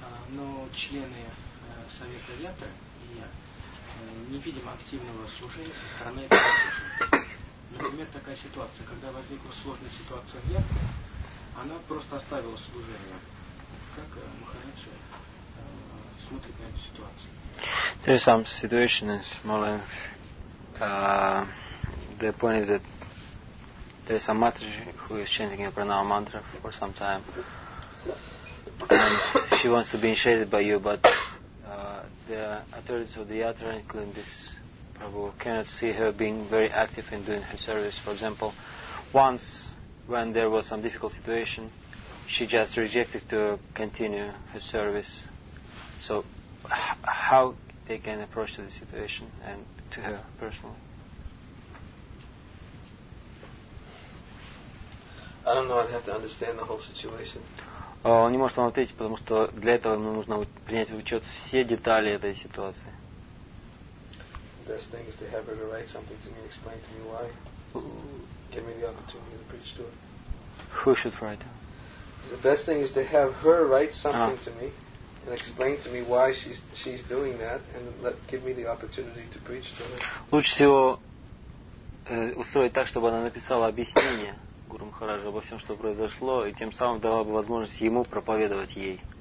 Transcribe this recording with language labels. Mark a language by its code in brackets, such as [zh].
[ru] Но члены совета Ветра и я не видим активного служения со стороны этой матаджи. Например, такая ситуация, когда возникла сложная ситуация в Ветре, она просто оставила служение. Как Махараджи смотрит на эту ситуацию? [en] There is some situation in Smolensk. The point is that there is some matriarch who is chanting a pranava mantra for some time. and she wants to be initiated by you, but the authorities of the yatra, including this Prabhu, cannot see her being very active in doing her service. For example, once when there was some difficult situation, she just rejected to continue her service. So how they can approach to the situation and to her personally? I don't know, I'd have to understand the whole situation. [ru] Он не может вам ответить, потому что для этого ему нужно принять в учет все детали этой ситуации. [en] The best thing is to have her write something to me, explain to me why. Give me the opportunity to preach to her. Who should write? The best thing is to have her write something to me and explain to me why she's doing that and give me the opportunity to preach to her. [ru] Лучше всего устроить так, чтобы она написала объяснение Гуру Махараджа обо всем, что произошло, и тем самым дала бы возможность ему проповедовать ей.